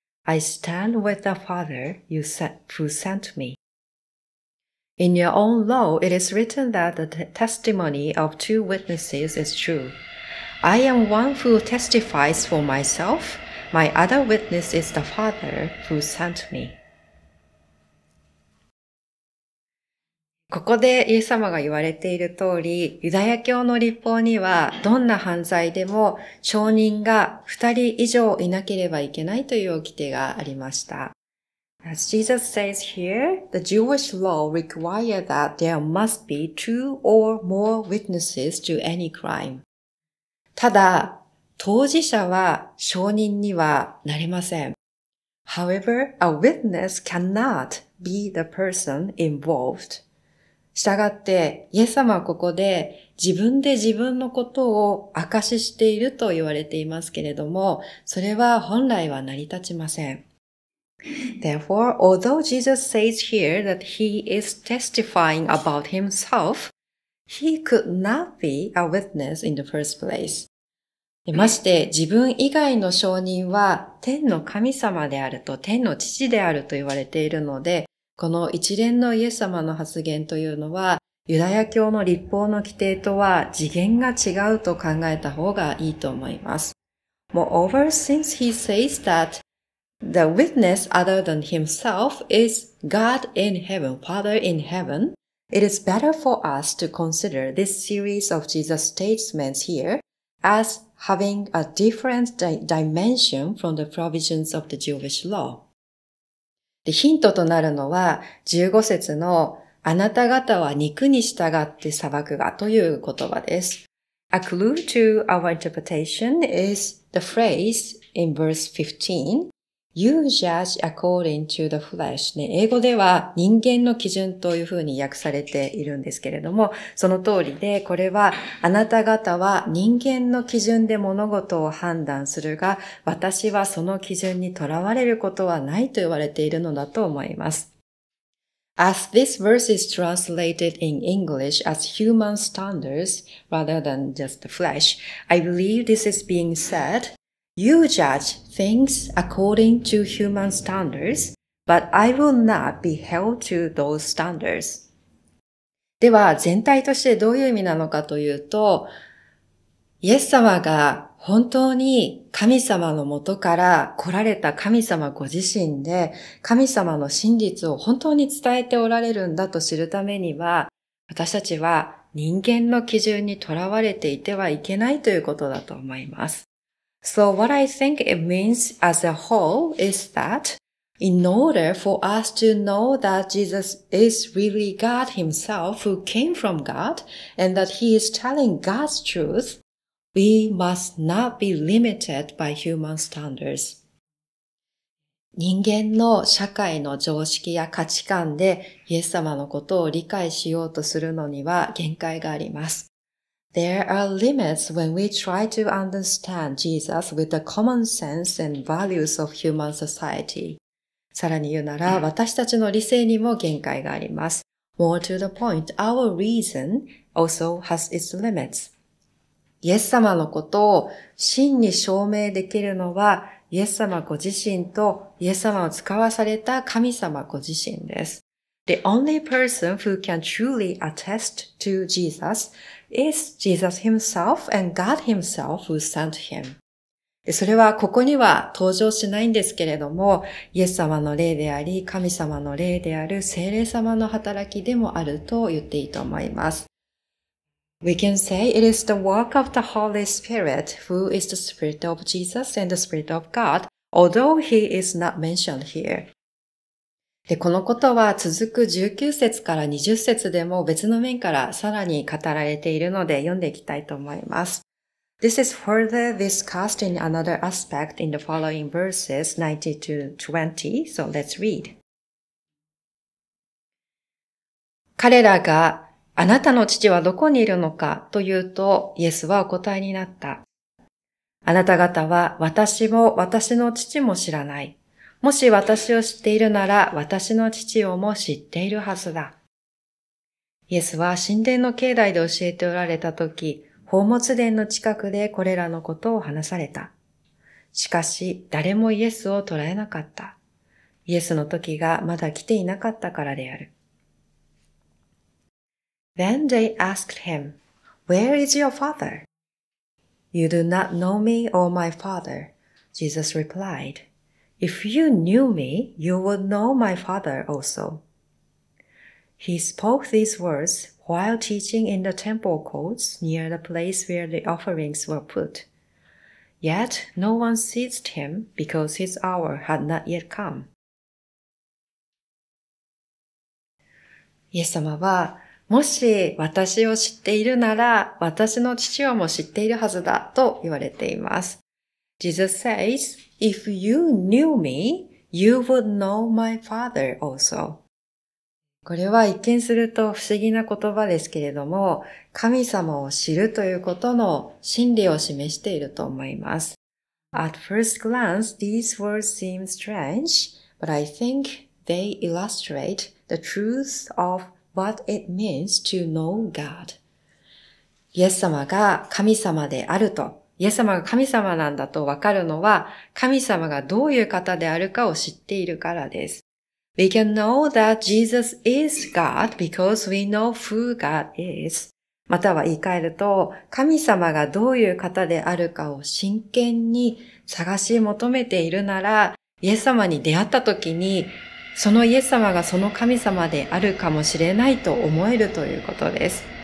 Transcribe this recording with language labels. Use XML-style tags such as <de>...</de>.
<en>I stand with the Father who sent me. In your own law, it is written that the testimony of two witnesses is true. I am one who testifies for myself. My other witness is the Father who sent me.</en> <ja>ここでイエス様が言われている通り、ユダヤ教の律法にはどんな犯罪でも証人が2人以上いなければいけないという掟がありました。</ja> <en>As Jesus says here, the Jewish law required that there must be two or more witnesses to any crime.</en> <ja>ただ、当事者は証人にはなれません。</ja> <en>However, a witness cannot be the person involved.</en> <ja>したがって、イエス様はここで自分で自分のことを証ししていると言われていますけれども、それは本来は成り立ちません。</ja> <en>Therefore, although Jesus says here that he is testifying about himself, he could not be a witness in the first place.</en> <ja>まして、自分以外の証人は天の神様であると、天の父であると言われているので、この一連のイエス様の発言というのは、ユダヤ教の律法の規定とは次元が違うと考えた方がいいと思います。</ja> <en>Moreover, since he says that the witness other than himself is God in heaven, Father in heaven, it is better for us to consider this series of Jesus' statements here as having a different dimension from the provisions of the Jewish law.</en> <ja>でヒントとなるのは15節のあなた方は肉に従って裁くがという言葉です。</ja> <en>A clue to our interpretation is the phrase in verse 15, you judge according to the flesh.、</en> <ja>ね、英語では人間の基準というふうに訳されているんですけれども、その通りでこれはあなた方は人間の基準で物事を判断するが、私はその基準にとらわれることはないと言われているのだと思います。</ja> <en>As this verse is translated in English as human standards rather than just the flesh, I believe this is being said. You judge things according to human standards, but I will not be held to those standards.</en> <ja>では、全体としてどういう意味なのかというと、イエス様が本当に神様のもとから来られた神様ご自身で、神様の真実を本当に伝えておられるんだと知るためには、私たちは人間の基準にとらわれていてはいけないということだと思います。</ja> <en>So what I think it means as a whole is that in order for us to know that Jesus is really God himself who came from God and that he is telling God's truth, we must not be limited by human standards.</en> <ja>人間の社会の常識や価値観でイエス様のことを理解しようとするのには限界があります。</ja> <en>There are limits when we try to understand Jesus with the common sense and values of human society.</en> <ja>さらに言うなら、私たちの理性にも限界があります。</ja> <en>More to the point, our reason also has its limits.</en> <ja>イエス様のことを真に証明できるのは、イエス様ご自身とイエス様を使わされた神様ご自身です。</ja> <en>The only person who can truly attest to Jesus is Jesus himself and God himself who sent him.</en> <ja>それはここには登場しないんですけれども、イエス様の霊であり、神様の霊である聖霊様の働きでもあると言っていいと思います。</ja> <en>We can say it is the work of the Holy Spirit who is the Spirit of Jesus and the Spirit of God, although he is not mentioned here.</en> <ja>でこのことは続く19節から20節でも別の面からさらに語られているので読んでいきたいと思います。</ja> <en>This is further discussed in another aspect in the following verses 19-20, so let's read.</en> <ja>彼らがあなたの父はどこにいるのかというとイエスはお答えになった。あなた方は私も私の父も知らない。もし私を知っているなら、私の父をも知っているはずだ。イエスは神殿の境内で教えておられたとき、宝物殿の近くでこれらのことを話された。しかし、誰もイエスを捕らえなかった。イエスの時がまだ来ていなかったからである。</ja> <en>Then they asked him, Where is your father? You do not know me or my father, Jesus replied. If you knew me, you would know my father also. He spoke these words while teaching in the temple courts near the place where the offerings were put. Yet no one seized him because his hour had not yet come.</en> <ja>イエス様は、もし私を知っているなら、私の父をも知っているはずだと言われています。</ja> <en>Jesus says, If you knew me, you would know my father also.</en> <ja>これは一見すると不思議な言葉ですけれども、神様を知るということの真理を示していると思います。</ja> <en>At first glance, these words seem strange, but I think they illustrate the truth of what it means to know God.</en> <ja>イエス様が神様であると、イエス様が神様なんだとわかるのは、神様がどういう方であるかを知っているからです。</ja> <en>We can know that Jesus is God because we know who God is.</en> <ja>または言い換えると、神様がどういう方であるかを真剣に探し求めているなら、イエス様に出会った時に、そのイエス様がその神様であるかもしれないと思えるということです。</ja>